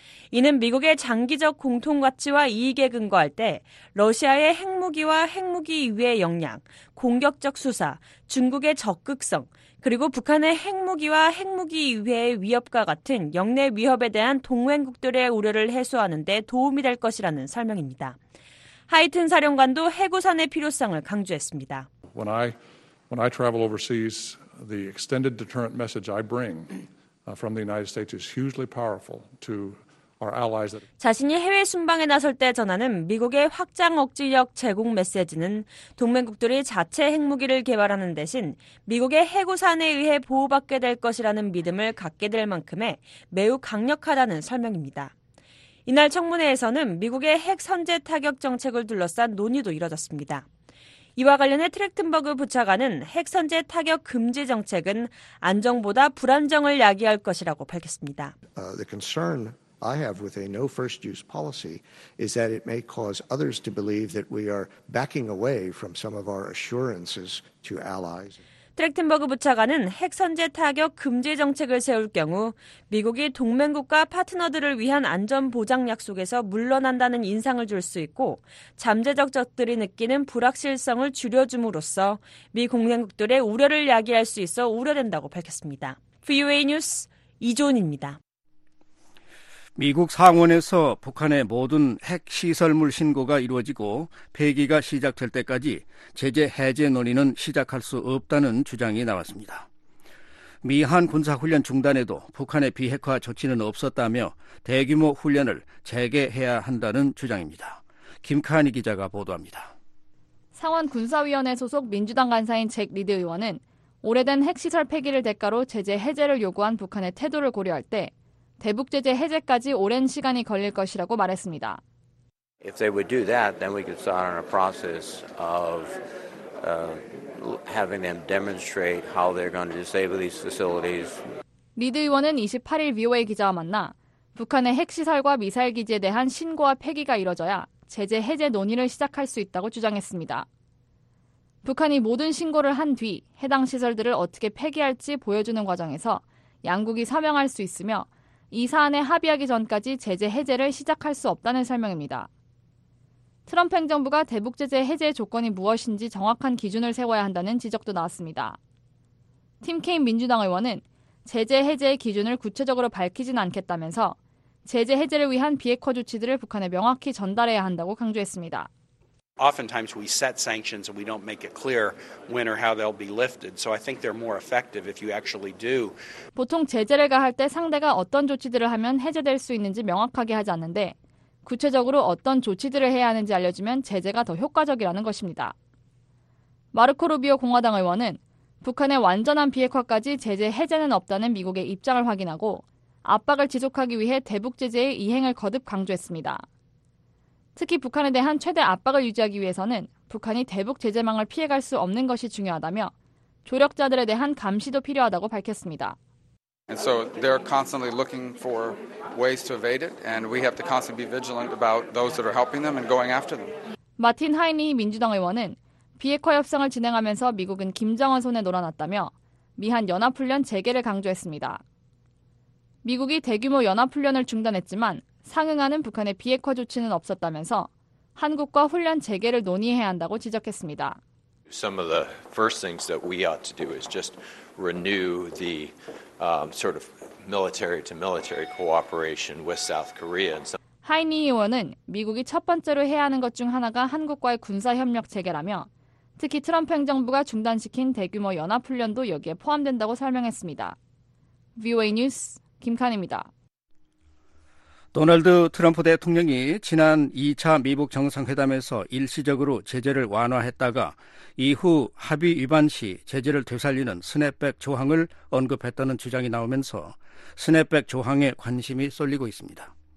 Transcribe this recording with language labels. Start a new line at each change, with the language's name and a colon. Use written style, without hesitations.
Korean: 이는 미국의 장기적 공통가치와 이익에 근거할 때 러시아의 핵무기와 핵무기 이외의 역량, 공격적 수사, 중국의 적극성, 그리고 북한의 핵무기와 핵무기 이외의 위협과 같은 역내 위협에 대한 동맹국들의 우려를 해소하는 데 도움이 될 것이라는 설명입니다. 하이튼 사령관도 핵우산의 필요성을 강조했습니다.
English: When I travel overseas, the extended deterrent message I bring from the United States is hugely powerful to our allies.
Korean: 자신이 해외 순방에 나설 때 전하는 미국의 확장 억지력 제공 메시지는 동맹국들이 자체 핵무기를 개발하는 대신 미국의 핵우산에 의해 보호받게 될 것이라는 믿음을 갖게 될 만큼의 매우 강력하다는 설명입니다. 이날 청문회에서는 미국의 핵 선제 타격 정책을 둘러싼 논의도 이뤄졌습니다. 이와 관련해 트렉튼버그 부차관은 핵 선제 타격 금지 정책은 안정보다 불안정을 야기할 것이라고 밝혔습니다.
English: The concern I have with a no first use policy is that it may cause others to believe that we are backing away from some of our assurances to allies.
Korean: 트렉텐버그 부차관은 핵선제 타격 금지 정책을 세울 경우 미국이 동맹국과 파트너들을 위한 안전보장 약속에서 물러난다는 인상을 줄 수 있고 잠재적 적들이 느끼는 불확실성을 줄여줌으로써 미 공생국들의 우려를 야기할 수 있어 우려된다고 밝혔습니다. VOA 뉴스 이조은입니다. 미국 상원에서 북한의 모든 핵시설물 신고가 이루어지고 폐기가 시작될 때까지 제재 해제 논의는 시작할 수 없다는 주장이 나왔습니다. 미한 군사훈련 중단에도 북한의 비핵화 조치는 없었다며 대규모 훈련을 재개해야 한다는 주장입니다. 김카니 기자가 보도합니다. 상원 군사위원회 소속 민주당 간사인 잭 리드 의원은 오래된 핵시설 폐기를 대가로 제재 해제를 요구한 북한의 태도를 고려할 때 대북 제재 해제까지 오랜 시간이 걸릴 것이라고 말했습니다.
English: If they would do that, then we could start on a process of having them demonstrate how they're going to disable these facilities.
Korean: 리드 의원은 28일 VOA 기자와 만나 북한의 핵 시설과 미사일 기지에 대한 신고와 폐기가 이뤄져야 제재 해제 논의를 시작할 수 있다고 주장했습니다. 북한이 모든 신고를 한 뒤 해당 시설들을 어떻게 폐기할지 보여주는 과정에서 양국이 서명할 수 있으며 이 사안에 합의하기 전까지 제재 해제를 시작할 수 없다는 설명입니다. 트럼프 행정부가 대북 제재 해제의 조건이 무엇인지 정확한 기준을 세워야 한다는 지적도 나왔습니다. 팀 케인 민주당 의원은 제재 해제의 기준을 구체적으로 밝히진 않겠다면서 제재 해제를 위한 비핵화 조치들을 북한에 명확히 전달해야 한다고 강조했습니다.
English: Oftentimes we set sanctions and we don't make it clear when or how they'll be lifted. So I think they're more effective if you actually do.
Korean: 보통 제재를 가할 때 상대가 어떤 조치들을 하면 해제될 수 있는지 명확하게 하지 않는데 구체적으로 어떤 조치들을 해야 하는지 알려주면 제재가 더 효과적이라는 것입니다. 마르코 루비오 공화당 의원은 북한의 완전한 비핵화까지 제재 해제는 없다는 미국의 입장을 확인하고 압박을 지속하기 위해 대북 제재의 이행을 거듭 강조했습니다. 특히 북한에 대한 최대 압박을 유지하기 위해서는 북한이 대북 제재망을 피해갈 수 없는 것이 중요하다며 조력자들에 대한 감시도 필요하다고 밝혔습니다.
English: And so they're constantly looking for ways to evade it and we have to constantly be vigilant about those that are helping them and going after them.
Korean: 마틴 하이니 민주당 의원은 비핵화 협상을 진행하면서 미국은 김정은 손에 놀아났다며 미한 연합 훈련 재개를 강조했습니다. 미국이 대규모 연합 훈련을 중단했지만 상응하는 북한의 비핵화 조치는 없었다면서 한국과 훈련 재개를 논의해야 한다고 지적했습니다.
English: Some of the first things that we ought to do is just renew the sort of military to military cooperation with South Korea.
Korean: 하이니 의원은 미국이 첫 번째로 해야 하는 것 중 하나가 한국과의 군사 협력 재개라며 특히 트럼프 행정부가 중단시킨 대규모 연합 훈련도 여기에 포함된다고 설명했습니다. VOA 뉴스 김칸입니다. 도널드 트럼프 대통령이 지난 2차 미북 정상회담에서 일시적으로 제재를 완화했다가 이후 합의 위반 시 제재를 되살리는 스냅백 조항을 언급했다는 주장이 나오면서 스냅백 조항에 관심이 쏠리고 있습니다.